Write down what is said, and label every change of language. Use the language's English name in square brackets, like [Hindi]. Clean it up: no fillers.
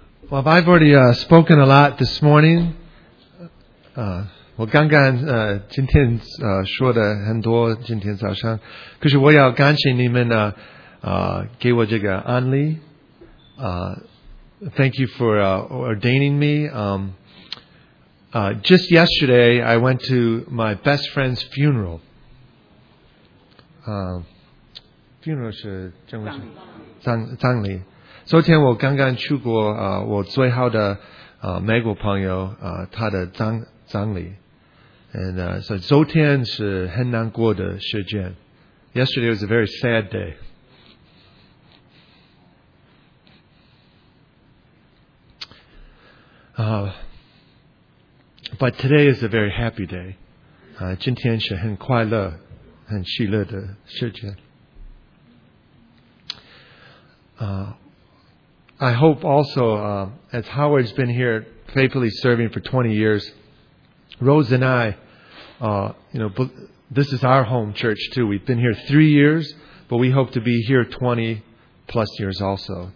[English] Well, I've already spoken a lot this morning. [Chinese] 我刚刚今天说的很多今天早上，可是我要感谢你们给我这个安利。 [English] Thank you for ordaining me. Just yesterday, I went to my best friend's funeral. [Chinese] Funeral 是葬礼。葬礼。昨天我刚刚去过我最好的美国朋友他的葬礼。 [English] And so [Chinese] 昨天是很难过的时间。 [English] Yesterday was a very sad day. But today is a very happy day. [Chinese] 今天是很快乐很喜乐的时间。 [English] I hope also, as Howard's been here faithfully serving for 20 years, Rose and I, you know, This is our home church too. We've been here 3 years, but we hope to be here 20 plus years also.